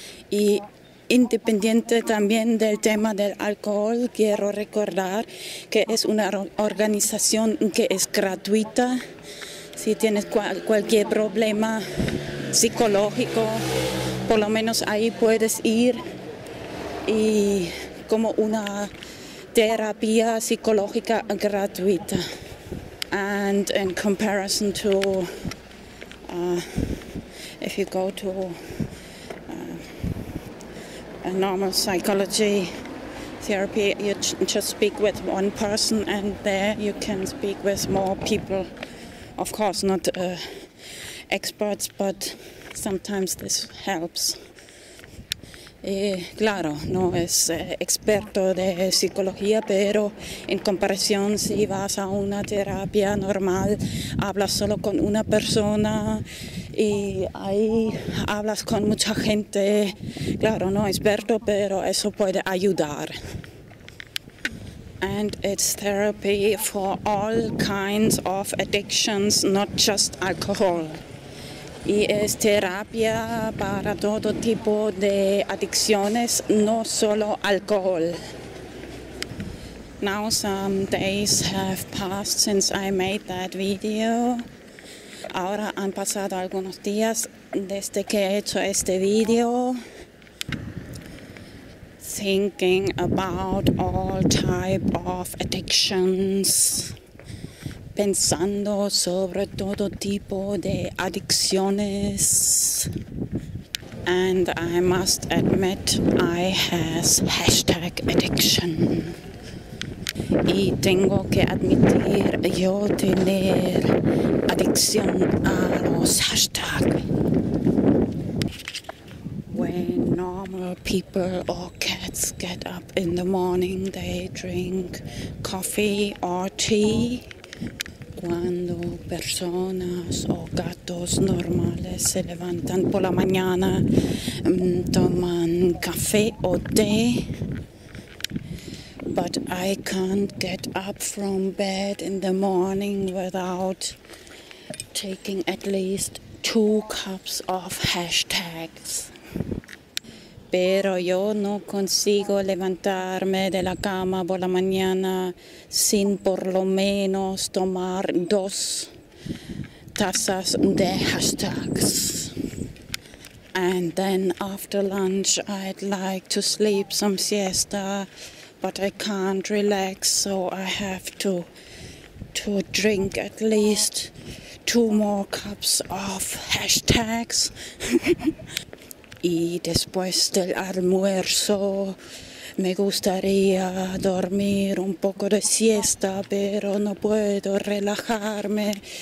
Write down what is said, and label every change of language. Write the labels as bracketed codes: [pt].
[es] Y independiente también del tema del alcohol, quiero recordar que es una organización que es gratuita. Si tienes cualquier problema psicológico, por lo menos ahí puedes ir y como una terapia psicológica gratuita. [en] And in comparison to if you go to a normal psychology therapy, you just speak with one person and there you can speak with more people. Of course, not experts, but sometimes this helps. [es] Y claro, no es experto de psicología, pero en comparación, si vas a una terapia normal, hablas solo con una persona y ahí hablas con mucha gente. Claro, no experto, pero eso puede ayudar. [en] And it's therapy for all kinds of addictions, not just alcohol. [es] Y es terapia para todo tipo de adicciones, no solo alcohol. [en] Now some days have passed since I made that video. [es] Ahora han pasado algunos días desde que he hecho este video. [en] Thinking about all type of addictions. [es] Pensando sobre todo tipo de adicciones. [en] And I must admit, I have hashtag addiction. [es] Y tengo que admitir yo tener adicción a los hashtags. [en] When normal people or cats get up in the morning, they drink coffee or tea. [es] Cuando personas o gatos normales se levantan por la mañana, toman café o té. [en] But I can't get up from bed in the morning without taking at least 2 cups of hashtags. [es] Pero yo no consigo levantarme de la cama por la mañana sin por lo menos tomar tasas de hashtags. [en] And then after lunch, I'd like to sleep some siesta, but I can't relax, so I have to drink at least 2 more cups of hashtags. [es] Y después del almuerzo, me gustaría dormir un poco de siesta, pero no puedo relajarme.